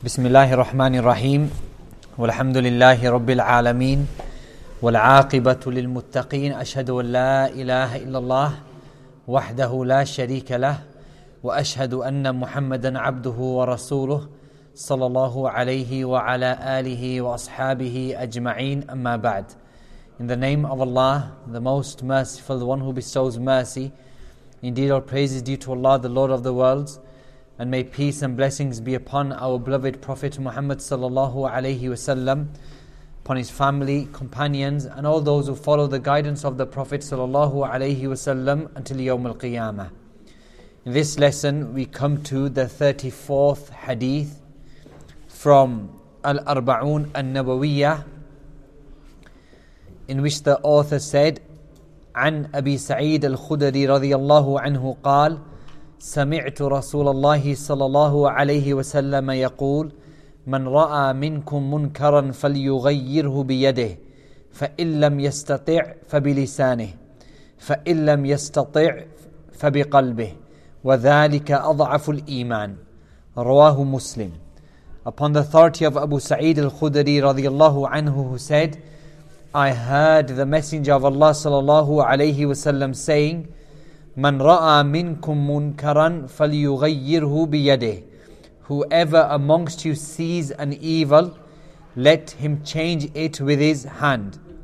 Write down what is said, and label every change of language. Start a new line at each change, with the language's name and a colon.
Arabic: بسم الله الرحمن الرحيم والحمد لله رب العالمين والعاقبة للمتقين أشهد أن لا إله إلا الله وحده لا شريك له وأشهد أن محمدا عبده ورسوله صلى الله عليه وعلى آله وأصحابه أجمعين أما بعد.
English: In the name of Allah, the Most Merciful, the One who bestows mercy. Indeed, all praise is due to Allah, the Lord of the worlds. And may peace and blessings be upon our beloved Prophet Muhammad sallallahu alayhi wasallam, upon his family, companions, and all those who follow the guidance of the Prophet sallallahu alayhi wasallam until Yawm al-Qiyamah. In this lesson, we come to the 34th hadith from Al-Arba'un al-Nawawiyyah, in which the author said,
Arabic: عن أبي سعيد الخدري رضي الله عنه قال سمعت رسول الله صلى الله عليه وسلم يقول من رأى منكم منكرا فليغيره بيده فإن لم يستطع فبلسانه فإن لم يستطع فبقلبه وذلك أضعف الإيمان رواه مسلم.
English: Upon the authority of Abu Sa'id al-Khudri رضي الله عنه, who said, I heard the Messenger of Allah صلى الله عليه وسلم saying,
Arabic: مَنْ رَأَى مِنْكُمْ مُنْكَرًا فَلْيُغَيِّرْهُ بِيَدِهِ.
English: Whoever amongst you sees an evil, let him change it with his hand.